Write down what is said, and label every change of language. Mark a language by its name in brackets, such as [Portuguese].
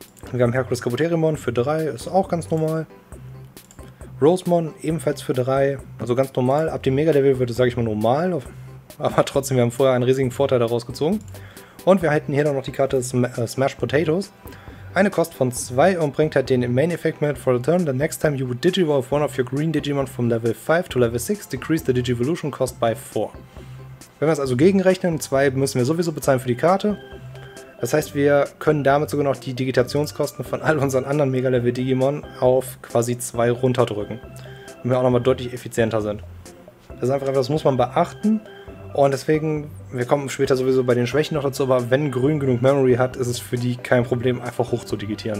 [German] Wir haben Herkules Kabuterimon für 3, ist auch ganz normal. Rosemon ebenfalls für 3, also ganz normal. Ab dem Mega-Level wird es, sage ich mal, normal, aber trotzdem, wir haben vorher einen riesigen Vorteil daraus gezogen. Und wir halten hier dann noch die Karte Smash Potatoes. Eine Kost von 2 und bringt halt den Main-Effekt mit. [English] For the turn, the next time you would Digivolve one of your green Digimon from Level 5 to Level 6, decrease the Digivolution cost by 4. [German] Wenn wir es also gegenrechnen, 2 müssen wir sowieso bezahlen für die Karte. Das heißt, wir können damit sogar noch die Digitationskosten von all unseren anderen Mega-Level-Digimon auf quasi 2 runterdrücken. Und wir auch nochmal deutlich effizienter sind. Das ist einfach etwas, das muss man beachten. Und deswegen, wir kommen später sowieso bei den Schwächen noch dazu, aber wenn Grün genug Memory hat, ist es für die kein Problem, einfach hoch zu digitieren.